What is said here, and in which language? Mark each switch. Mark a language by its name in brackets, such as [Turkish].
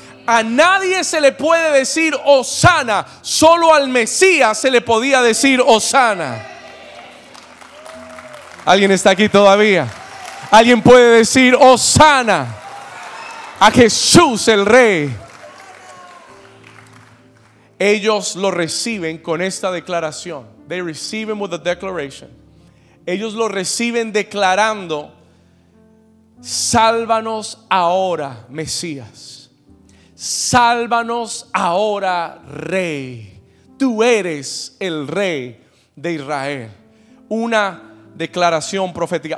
[Spanish] A nadie se le puede decir Hosana, solo al Mesías se le podía decir Hosana. ¿Alguien está aquí todavía? ¿Alguien puede decir Hosana a Jesús el Rey? Ellos lo reciben con esta declaración. [English] They receive him with a declaration. [Spanish] Ellos lo reciben declarando, sálvanos ahora, Mesías. Sálvanos ahora, Rey. Tú eres el Rey de Israel. Una declaración profética.